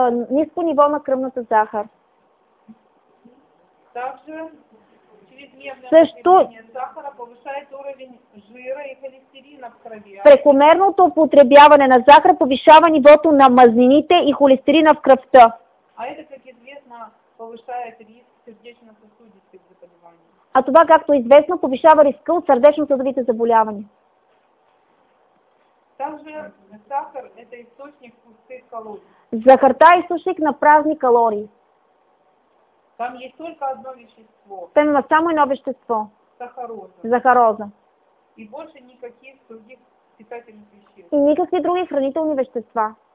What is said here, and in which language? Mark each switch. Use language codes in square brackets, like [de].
[bg] Ниско ниво на кръвната захар. [ru] Также чрезмерно сахара повишает уровень жира и холестерина в крови. [bg] Прекомерното употребяване на захар повишава нивото на мазнините и холестерина в кръвта. [ru] А это, как известно, повышает риск сердечно-сосудистых заболеваний. [bg] А това, както известно, повишава риска от сърдечно-съдовите заболявания. [ru] Также сахар – это источник пустых калорий. [bg] Захарта е източник на празни калории. [ru] Там есть только одно вещество. [bg] Там има само едно вещество. [ru] Сахароза. [bg] Захароза. [ru] И больше никаких других питательных веществ. [bg] И никакви други хранителни вещества.